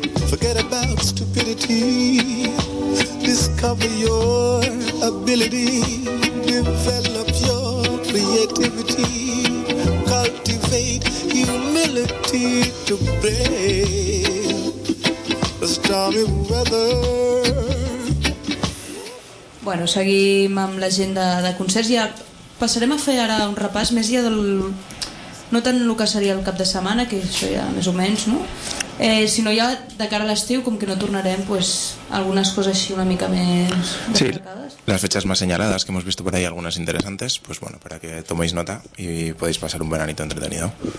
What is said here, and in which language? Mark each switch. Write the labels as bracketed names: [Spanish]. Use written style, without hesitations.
[English] Forget about stupidity, discover your ability, develop your creativity, cultivate humility to brave the stormy weather. [Catalan] Bueno, seguim amb l'agenda de concerts. Ja passarem a fer ara un repàs més ja del... no tant el que seria el cap de setmana, que això ja més o menys, no? Sinó ja de cara a l'estiu, com que no tornarem, pues, algunes coses així una mica més... [Spanish] Sí, les fechas más señaladas, que hemos visto por ahí algunas interesantes, pues bueno, para que toméis nota y podéis pasar un veranito entretenido.